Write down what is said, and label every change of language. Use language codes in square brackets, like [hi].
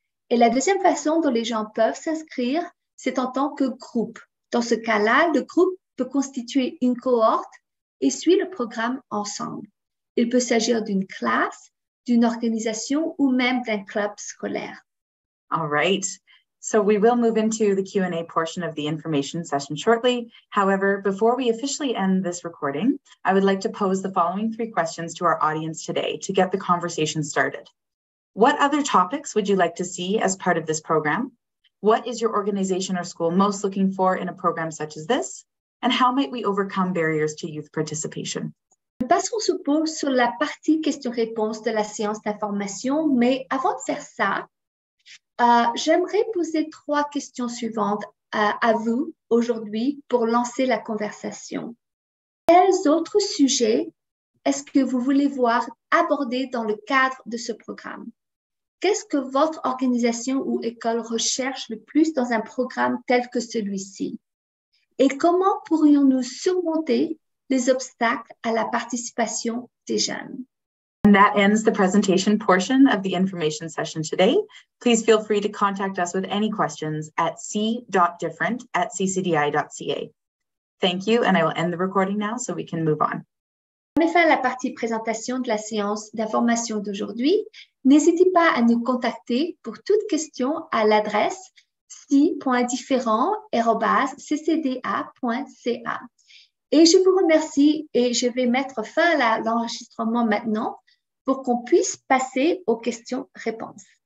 [fr] Et la deuxième façon dont les gens peuvent s'inscrire, c'est en tant que groupe. Dans ce cas-là, le groupe peut constituer une cohorte et suit le programme ensemble. Il peut s'agir d'une classe, d'une organisation ou même d'un club scolaire. [en] All right. So we will move into the Q&A portion of the information session shortly. However, before we officially end this recording, I would like to pose the following three questions to our audience today to get the conversation started. What other topics would you like to see as part of this program? What is your organization or school most looking for in a program such as this? And how might we overcome barriers to youth participation? [fr] Passons sous peu sur la partie questions-réponses de la séance d'information, mais avant de faire ça, j'aimerais poser trois questions suivantes à vous aujourd'hui pour lancer la conversation. Quels autres sujets est-ce que vous voulez voir abordés dans le cadre de ce programme? Qu'est-ce que votre organisation ou école recherche le plus dans un programme tel que celui-ci? Et comment pourrions-nous surmonter les obstacles à la participation des jeunes. [en] And that ends the presentation portion of the information session today. Please feel free to contact us with any questions at c.different@ccdi.ca. Thank you, and I will end the recording now so we can move on. [fr] On met fin à la partie présentation de la séance d'information d'aujourd'hui. N'hésitez pas à nous contacter pour toute question à l'adresse c.different@ccda.ca. Et je vous remercie et je vais mettre fin à l'enregistrement maintenant pour qu'on puisse passer aux questions-réponses.